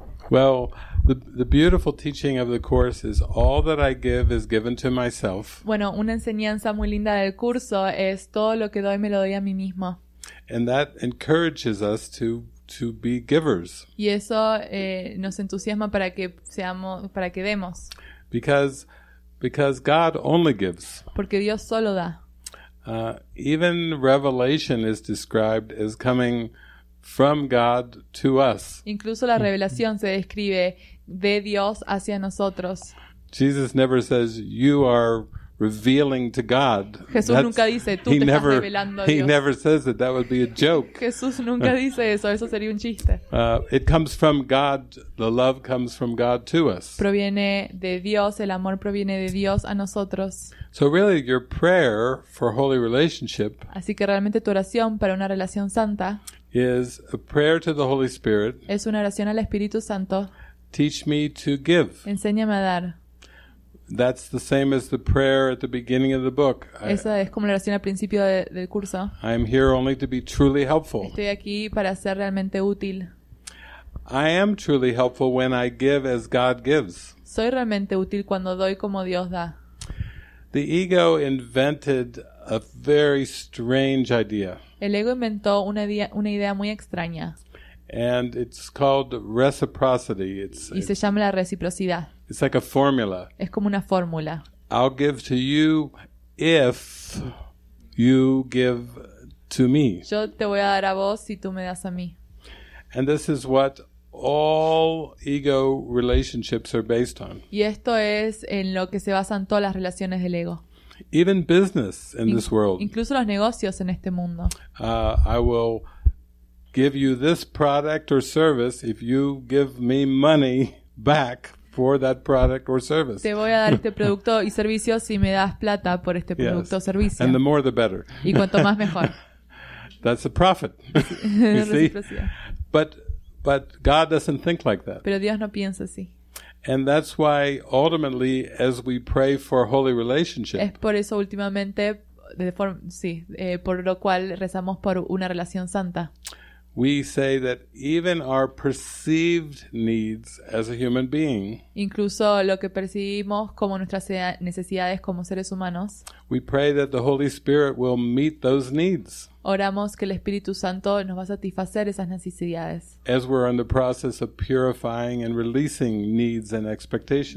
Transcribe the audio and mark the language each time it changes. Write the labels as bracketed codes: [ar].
[en] Well, the beautiful teaching of the course is all that I give is given to myself. [es] Bueno, una enseñanza muy linda del curso es todo lo que doy me lo doy a mí mismo. [en] And that encourages us to be givers. [es] Y eso nos entusiasma para que demos. [en] Because God only gives. [es] Porque Dios solo da. [en] Even revelation is described as coming from God to us. [es] Incluso la revelación se describe de Dios hacia nosotros. [en] Jesus never says you are revealing to God. [es] Jesús nunca dice tú te estás revelando a Dios. [en] He never says that would be a joke. [es] Jesús nunca dice eso, eso sería un chiste. [en] It comes from God, the love comes from God to us. [es] Proviene de Dios, el amor proviene de Dios a nosotros. [en] So really your prayer for holy relationship. [es] Así que realmente tu oración para una relación santa [en] is a prayer to the Holy Spirit. [es] Es una oración al Espíritu Santo. [en] Teach me to give. [es] Enséñame a dar. [en] That's the same as the prayer at the beginning of the book. [es] Esa es como la oración al principio del curso. [en] I'm here only to be truly helpful. [es] Estoy aquí para ser realmente útil. [en] I am truly helpful when I give as God gives. [es] Soy realmente útil cuando doy como Dios da. [en] The ego invented a very strange idea. [es] El ego inventó una idea muy extraña. [en] And it's called reciprocity. [es] Y se llama la reciprocidad. [en] It's like a formula. [es] Es como una fórmula. [en] I'll give to you if you give to me. [es] Yo te voy a dar a vos si tú me das a mí. [en] And this is what all ego relationships are based on. [es] Y esto es en lo que se basan todas las relaciones del ego. [en] Even business in this world. [es] Incluso los negocios en este mundo. [en] I will give you this product or service if you give me money back for that product or service. [es] Te voy a dar este producto y servicio si me das plata por este producto o servicio. [en] And the more the better. [es] Y cuanto más mejor. [en] That's a profit. You see? But God doesn't think like that. [es] Pero Dios no piensa así. [en] And that's why ultimately as we pray for a holy relationship. [es] Es por eso últimamente por lo cual rezamos por una relación santa. [en] We say that even our perceived needs as a human being. [es] Incluso lo que percibimos como nuestras necesidades como seres humanos. [en] We pray that the Holy Spirit will meet those needs. [es] Oramos que el Espíritu Santo nos va a satisfacer esas necesidades. [en] As we're in the process of purifying and releasing needs and expectations.